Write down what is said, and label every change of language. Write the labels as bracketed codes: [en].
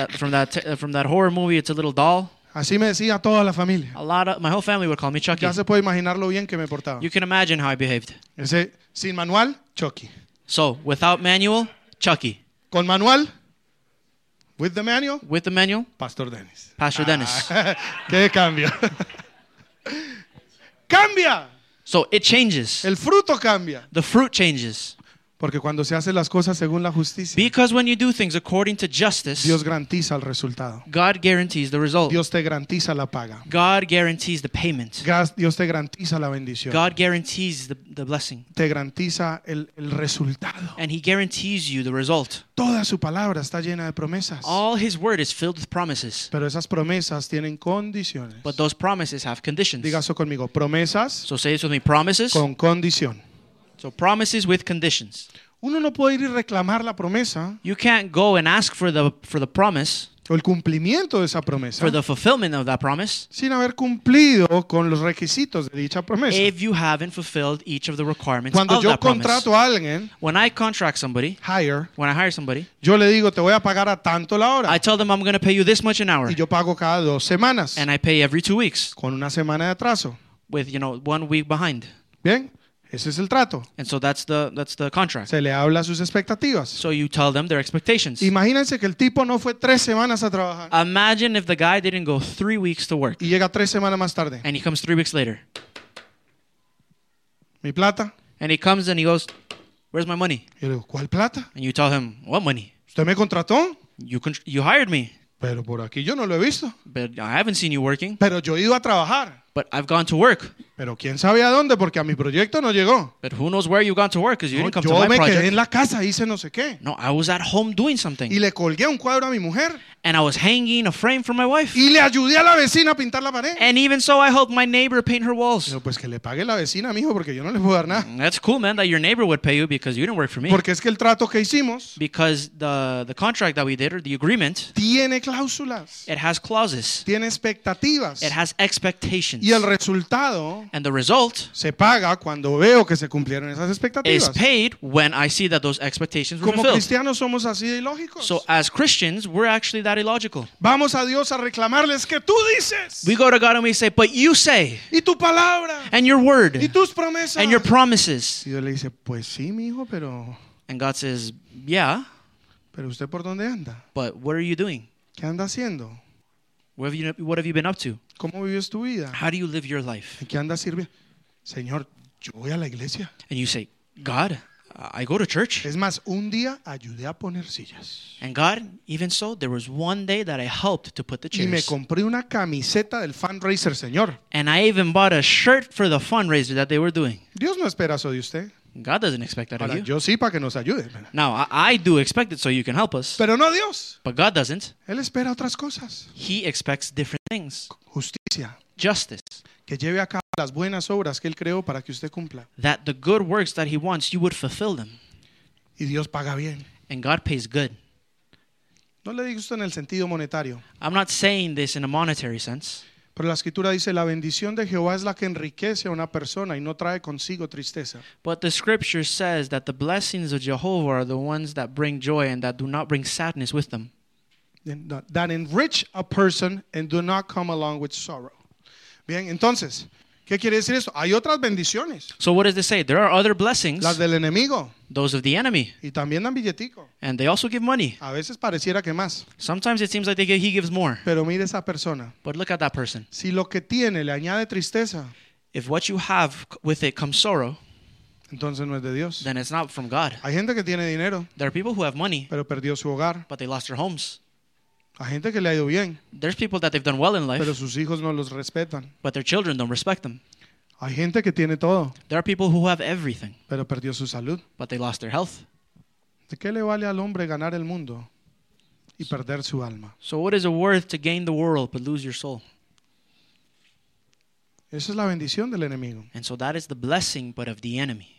[en] From that horror movie, it's a little doll. [es] Así me decía toda la familia. [en] My whole family would call me Chucky. [es] Ya se puede imaginar lo bien que me portaba. [en] You can imagine how I behaved. [es] Ese, sin manual, Chucky. [en] So, without manual, Chucky. [es] Con manual, [en] with the manual. With the manual, Pastor Dennis. Pastor Dennis. [es] ¿Qué cambio? Cambia. [en] So it changes. [es] El fruto cambia. [en] The fruit changes. [es] Porque cuando se hace las cosas según la justicia, [en] because when you do things according to justice, [es] Dios garantiza el resultado. [en] God guarantees the result. [es] Dios te garantiza la paga. [en] God guarantees the payment. [es] Dios te garantiza la bendición. [en] God guarantees the blessing. [es] Te garantiza el resultado. [en] And he guarantees you the result. [es] Toda su palabra está llena de promesas. [en] All his word is filled with promises. [es] Pero esas promesas tienen condiciones. [en] But those promises have conditions. [es] Diga eso conmigo, promesas. [en] So say this with me, promises. [es] Con condición. [en] So promises with conditions. [es] Uno no puede ir y reclamar la promesa. [en] You can't go and ask for the promise. [es] O el cumplimiento de esa promesa. [en] For the fulfillment of that promise. [es] Sin haber cumplido con los requisitos de dicha promesa. [en] If you haven't fulfilled each of the requirements [es] cuando [en] of that promise. [es] Cuando yo contrato a alguien. [en] When I contract somebody. Hire. When I hire somebody. [es] Yo le digo, te voy a pagar a tanto la hora. [en] I tell them I'm going to pay you this much an hour. [es] Y yo pago cada dos semanas. [en] And I pay every 2 weeks. [es] Con una semana de atraso. [en] With, you know, 1 week behind. [es] Bien. Ese es el trato. [en] And so that's the contract. [es] Se le habla sus expectativas. [en] So you tell them their expectations. [es] Imagínense que el tipo no fue 3 semanas a trabajar. [en] Imagine if the guy didn't go 3 weeks to work. [es] Y llega 3 semanas más tarde. [en] And he comes 3 weeks later. [es] Mi plata. [en] And he comes and he goes, where's my money? [es] Y le digo, ¿cuál plata? [en] And you tell him, what money? [es] ¿Usted me contrató? [en] You hired me. [es] Pero por aquí yo no lo he visto. [en] But I haven't seen you working. [es] Pero yo he ido a trabajar. [en] But I've gone to work. [es] Pero quién sabe a dónde, porque a mi proyecto no llegó. [en] But who knows where you've gone to work, because you [es] no, [en] didn't come [es] yo [en] to my [es] me [en] project. [es] Quedé en la casa, hice no sé qué. [en] No, I was at home doing something. [es] Y le colgué un cuadro a mi mujer. [en] And I was hanging a frame for my wife. [es] Y le ayudé a la vecina a pintar la pared. [en] And even so, I helped my neighbor paint her walls. [es] Pero pues que le pague la vecina, mijo, porque yo no le puedo dar nada. [en] That's cool, man, that your neighbor would pay you because you didn't work for me. [es] Porque es que el trato que hicimos. [en] Because the contract that we did, or the agreement. [es] Tiene cláusulas. [en] It has clauses. [es] Tiene expectativas. [en] It has expectations. [es] Y el resultado. [en] And the result [es] se paga cuando veo que se cumplieron esas expectativas. [en] Is paid when I see that those expectations were [es] como [en] fulfilled. [es] Cristianos somos así de ilógicos. [en] So as Christians, we're actually that illogical. [es] Vamos a Dios a reclamarles que tú dices. [en] We go to God and we say, but you say. [es] Y tu palabra. [en] And your word. [es] Y tus promesas. [en] And your promises. [es] Y Dios le dice, pues sí, mi hijo, pero. [en] And God says, yeah. [es] Pero usted por dónde anda. [en] But what are you doing? [es] ¿Qué anda haciendo? [en] What have you been up to? [es] ¿Cómo vives tu vida? [en] How do you live your life? [es] ¿En qué andas sirviendo? Señor, yo voy a la iglesia. [en] And you say, God, I go to church. [es] Es más, un día ayudé a poner sillas. [en] And God, even so, there was one day that I helped to put the chairs. [es] Y me compré una camiseta del fundraiser, Señor. [en] And I even bought a shirt for the fundraiser that they were doing. [es] Dios no espera eso de usted. [en] God doesn't expect that [es] para, [en] of you. [es] Yo sí, para que nos ayude. [en] Now, I do expect it so you can help us. [es] Pero no Dios. [en] But God doesn't. [es] Él espera otras cosas. [en] He expects different things. [es] Justicia. [en] Justice. [es] Que lleve a cabo las buenas obras que Él creó para que usted cumpla. [en] That the good works that He wants, you would fulfill them. [es] Y Dios paga bien. [en] And God pays good. [es] No le digo esto en el sentido monetario. [en] I'm not saying this in a monetary sense. [es] Pero la escritura dice la bendición de Jehová es la que enriquece a una persona y no trae consigo tristeza. [en] But the scripture says that the blessings of Jehovah are the ones that bring joy and that do not bring sadness with them. That enrich a person and do not come along with sorrow. [es] Bien, entonces, ¿qué quiere decir esto? Hay otras bendiciones. [en] So what does it say? There are other blessings. [es] Las del enemigo. [en] Those of the enemy. [es] Y también dan billetico. [en] And they also give money. [es] A veces pareciera que más. [en] Sometimes it seems like he gives more. [es] Pero mire esa persona. [en] But look at that person. [es] Si lo que tiene le añade tristeza. [en] If what you have with it comes sorrow. [es] Entonces no es de Dios. [en] Then it's not from God. [es] Hay gente que tiene dinero. [en] There are people who have money. [es] Pero perdió su hogar. [en] But they lost their homes. [es] A gente que le ha ido bien. [en] There's people that they've done well in life. [es] Pero sus hijos no los respetan. [en] But their children don't respect them. [es] Hay gente que tiene todo. [en] There are people who have everything. [es] Pero perdió su salud. [en] But they lost their health. [es] ¿De qué le vale al hombre ganar el mundo y perder su alma? [en] So what is it worth to gain the world but lose your soul? [es] Esa es la bendición del enemigo. [en] And so that is the blessing, but of the enemy.